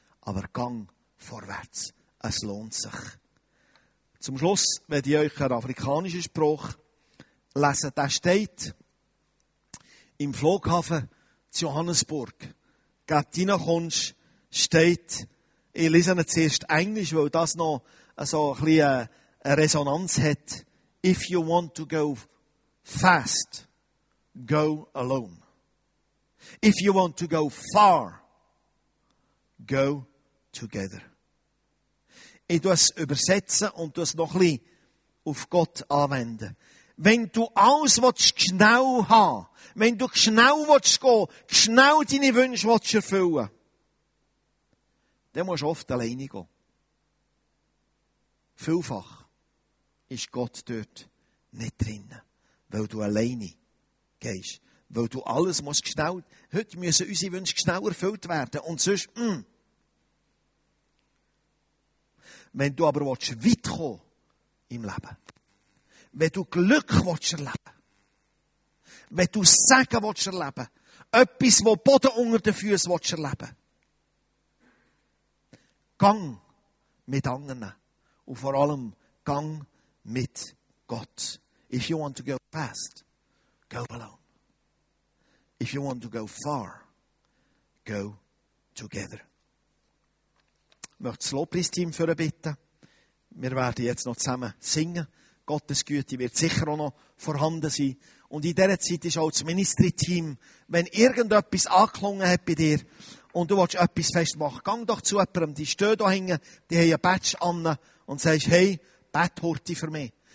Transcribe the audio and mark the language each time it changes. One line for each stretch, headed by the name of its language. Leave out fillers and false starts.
German: Aber gang vorwärts. Es lohnt sich. Zum Schluss werde ich euch einen afrikanischen Spruch lesen. Der steht im Flughafen zu Johannesburg. Gebt ihn kommst, steht, ich lese ihn zuerst Englisch, weil das noch so ein bisschen eine Resonanz hat.
English: If you want to go fast, go alone. If you want to go far, go together.
German: Ich tue es übersetzen und tue es noch ein bisschen auf Gott anwenden. Wenn du alles willst, schnell haben, wenn du schnell willst gehen, schnell deine Wünsche willst erfüllen, dann musst du oft alleine gehen. Vielfach ist Gott dort nicht drin, weil du alleine gehst. Weil du alles musst schnell, heute müssen unsere Wünsche schnell erfüllt werden. Und sonst, Wenn du aber willst, weit kommen im Leben, wenn du Glück willst erleben, wenn du Segen willst erleben, etwas, wo Boden unter den Füßen willst erleben, gang mit anderen. Und vor allem, gang mit Gott.
English: If you want to go fast, go alone. If you want to go far, go together.
German: Ich möchte das Lobpreisteam für ein bitten. Wir werden jetzt noch zusammen singen. Gottes Güte wird sicher auch noch vorhanden sein. Und in dieser Zeit ist auch das Ministry-Team, wenn irgendetwas angeklungen hat bei dir und du willst etwas festmachen, geh doch zu jemandem, die stehen da hängen, die haben ein Badge an und sagst, hey, bet heute für mich.